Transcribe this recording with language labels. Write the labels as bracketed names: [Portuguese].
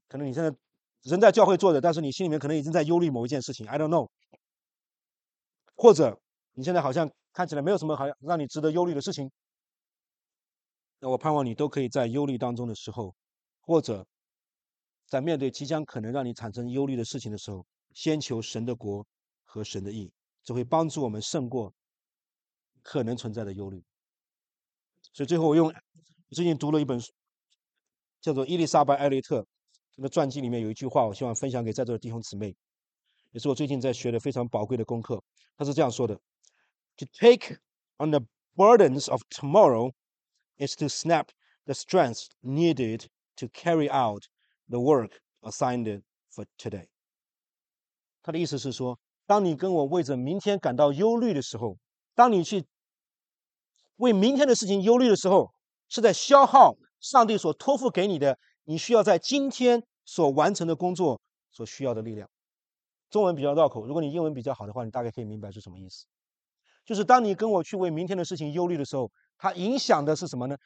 [Chinese] 可能你现在人在教会坐着，但是你心里面可能已经在忧虑某一件事情， [English] I don't know， [Chinese] 或者你现在好像看起来没有什么好像让你值得忧虑的事情，那我盼望你都可以在忧虑当中的时候，或者在面对即将可能让你产生忧虑的事情的时候，先求神的国和神的义，这会帮助我们胜过可能存在的忧虑。所以最后我用最近读了一本书叫做伊丽莎白·艾略特的传记，里面有一句话我希望分享给在座的弟兄姊妹，也是我最近在学的非常宝贵的功课。他是这样说的， [English] To take on the burdens of tomorrow is to snap the strength needed to carry outthe work assigned for today. [Chinese] 他的意思是说，当你跟我为着明天感到忧虑的时候，当你去为明天的事情忧虑的时候，是在消耗上帝所托付给你的，你需要在今天所完成的工作所需要的力量。中文比较绕口，如果你英文比较好的话，你大概可以明白是什么意思。就是当你跟我去为明天的事情忧虑的时候，它影响的是什么呢？